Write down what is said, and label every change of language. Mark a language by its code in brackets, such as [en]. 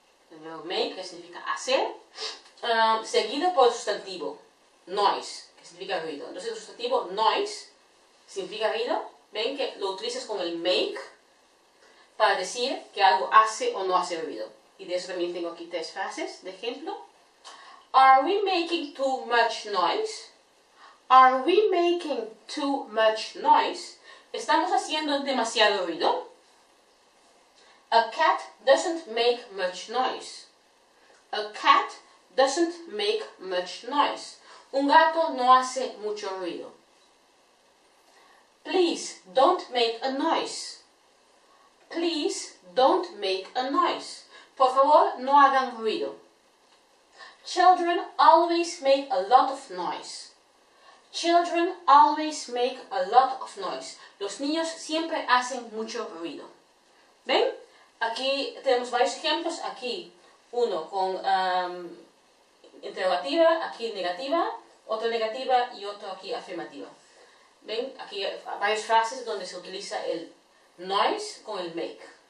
[es] El verbo make, que significa hacer. Seguido por el sustantivo, noise, que significa ruido. Entonces el sustantivo noise significa ruido. ¿Ven? Que lo utilizas con el make para decir que algo hace o no hace ruido. Y de eso también tengo aquí tres frases de ejemplo. [en] Are we making too much noise? Are we making too much noise? [es] ¿Estamos haciendo demasiado ruido? [en] A cat doesn't make much noise. A cat doesn't make much noise. [es] Un gato no hace mucho ruido. [en] Please don't make a noise. Please don't make a noise. [es] Por favor, no hagan ruido. [en] Children always make a lot of noise. Children always make a lot of noise. [es] Los niños siempre hacen mucho ruido. ¿Ven? Aquí tenemos varios ejemplos. Aquí uno con interrogativa, aquí negativa, otro negativa y otro aquí afirmativa. ¿Ven? Aquí hay varias frases donde se utiliza el noise con el make.